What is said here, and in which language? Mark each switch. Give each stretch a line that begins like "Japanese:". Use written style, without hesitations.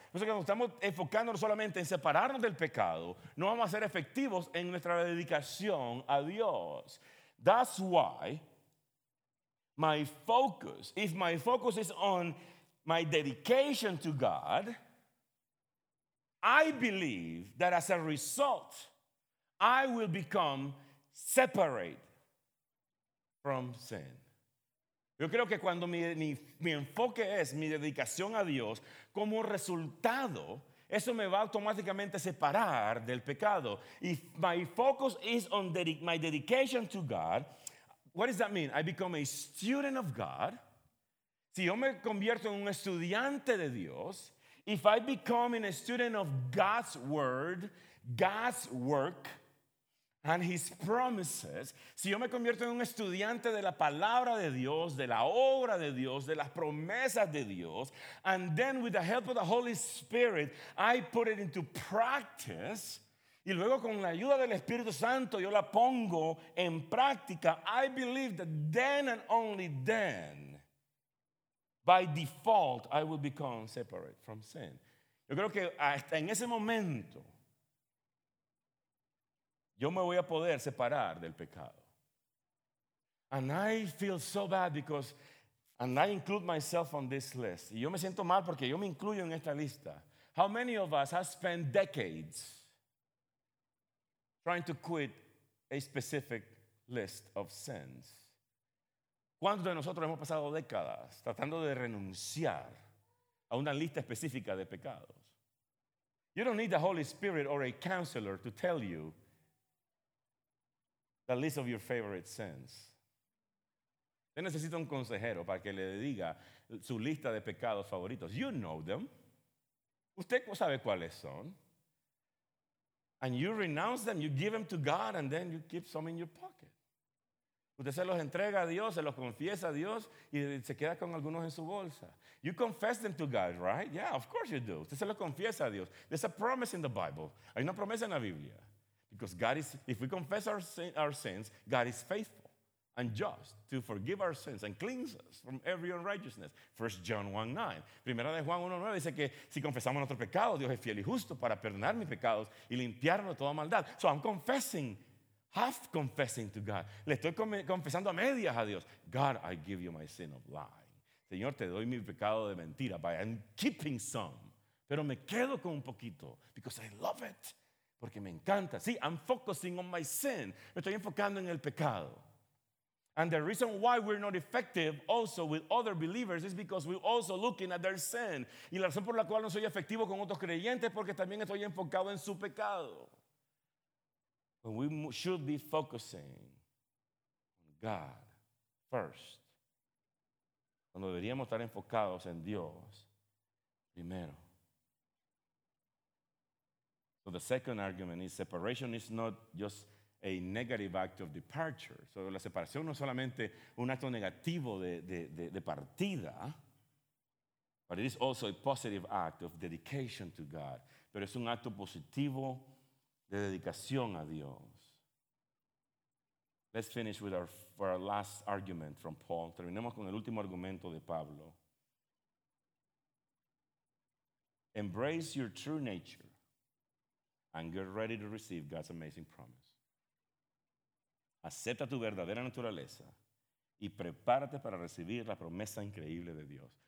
Spanish: Por eso que estamos enfocándonos solamente en separarnos del pecado, no vamos a ser efectivos en nuestra dedicación a Dios.
English: That's why if my focus is on my dedication to God, I believe that as a result, I will become separate from sin.
Spanish: Yo creo que cuando mi enfoque es mi dedicación a Dios, como resultado, eso me va automáticamente a separar del pecado.
English: If my focus is on my dedication to God, what does that mean? I become a student of God.
Spanish: Si yo me convierto en un estudiante de Dios,
English: if I become a student of God's word, God's work, and his promises,
Spanish: si yo me convierto en un estudiante de la palabra de Dios,
English: de la obra de Dios, de las promesas de Dios, and then with the help of the Holy Spirit, I put it into practice,
Spanish: y luego con la ayuda del Espíritu Santo yo la pongo en práctica,
English: I believe that then and only then, by default, I will become separate from sin.
Spanish: Yo creo que hasta en ese momento, yo me voy a poder separar del pecado.
English: And I feel so bad because, and I include myself on this list.
Spanish: Y yo me siento mal porque yo me incluyo en esta lista.
English: How many of us have spent decades trying to quit a specific list of sins?
Spanish: ¿Cuántos de nosotros hemos pasado décadas tratando de renunciar a una lista específica de pecados?
English: You don't need the Holy Spirit or a counselor to tell you the list of your favorite sins.
Spanish: Usted necesita un consejero para que le diga su lista de pecados favoritos.
English: You know them.
Spanish: Usted sabe cuáles son.
English: And you renounce them, you give them to God, and then you keep some in your pocket.
Spanish: Usted se los entrega a Dios, se los confiesa a Dios y se queda con algunos en su bolsa.
English: You confess them to God, right? Yeah, of course you do.
Spanish: Usted se los confiesa a Dios.
English: There's a promise in the Bible.
Spanish: Hay una promesa en la Biblia.
English: Because God is, if we confess our sins, God is faithful and just to forgive our sins and cleanse us from every unrighteousness. 1 John 1:9.
Spanish: Primera de Juan 1:9 dice que si confesamos nuestros pecados, Dios es fiel y justo para perdonar mis pecados y limpiarnos de toda maldad.
English: So I'm confessing. Half confessing to God.
Spanish: Le estoy confesando a medias a Dios.
English: God, I give you my sin of lying.
Spanish: Señor, te doy mi pecado de mentira.
English: But I'm keeping some.
Spanish: Pero me quedo con un poquito.
English: Because I love it.
Spanish: Porque me encanta.
English: See, I'm focusing on my sin.
Spanish: Me estoy enfocando en el pecado.
English: And the reason why we're not effective also with other believers is because we're also looking at their sin.
Spanish: Y la razón por la cual no soy efectivo con otros creyentes es porque también estoy enfocado en su pecado.
English: When we should be focusing on God first.
Spanish: Cuando deberíamos estar enfocados en Dios primero.
English: So the second argument is separation is not just a negative act of departure. So
Spanish: la separación no es solamente un acto negativo de partida,
English: but it is also a positive act of dedication to God.
Spanish: Pero es un acto positivo de dedicación a Dios.
English: Let's finish with our last argument from Paul.
Spanish: Terminemos con el último argumento de Pablo.
English: Embrace your true nature and get ready to receive God's amazing promise.
Spanish: Acepta tu verdadera naturaleza y prepárate para recibir la promesa increíble de Dios.